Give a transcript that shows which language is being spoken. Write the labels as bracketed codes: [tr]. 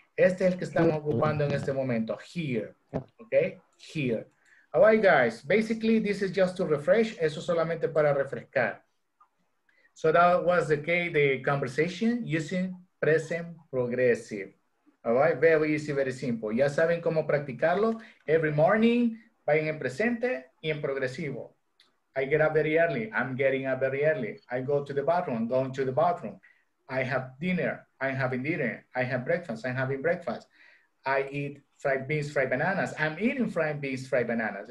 [es] Este es el que estamos ocupando en este momento, [en] here. Okay, here. All right, guys, basically this is just to refresh. [es] Eso solamente para refrescar. [en] So that was the conversation using present progressive. All right, very easy, very simple. [es] Ya saben cómo practicarlo. [en] Every morning, [es] vayan en presente y en progresivo. [en] I get up very early. I'm getting up very early. I go to the bathroom. Going to the bathroom. I have dinner. I'm having dinner. I have breakfast. I'm having breakfast. I eat fried beans, fried bananas. I'm eating fried beans, fried bananas.